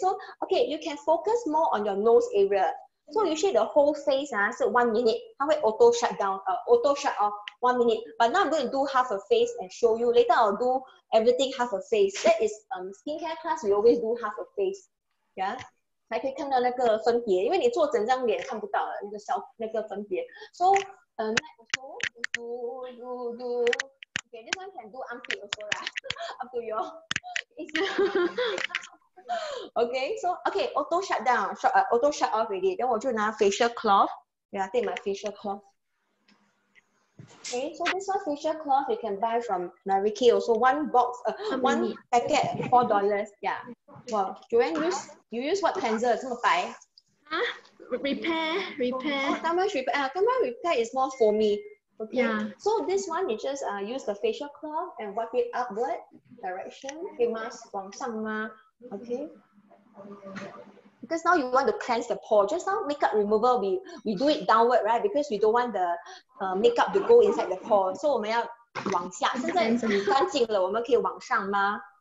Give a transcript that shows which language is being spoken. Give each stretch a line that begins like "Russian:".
English: So, okay, you can focus more on your nose area. So, usually the whole face is 1 minute. How will auto shut down, auto shut off 1 minute. But now I'm going to do half a face and show you. Later, I'll do everything half a face. That is skincare class, we always do half a face. Yeah?
Chinese: 才可以看到那个分别, 因为你坐整张脸看不到那个分别.
English: So, okay, this one can do armpit also, up to you. Okay, so, okay, auto shut down, auto shut off already. Then
Chinese: 我就拿
English: facial cloth. Yeah, take my facial cloth. Okay, so this one facial cloth you can buy from Mary Kay also. One box, one packet, $4. Yeah. Well, Joanne, you use what cleanser? Huh? Repair. Repair is more foamy. Okay. Yeah. So this one, you just use the facial cloth and wipe it upward direction. Okay, mask from summer. Okay. Because now you want to cleanse the pore. Just now, makeup remover, we do it downward, right? Because we don't want the makeup to go inside the pore.
Chinese: So, 我们要往下。现在干净了，我们可以往上吗？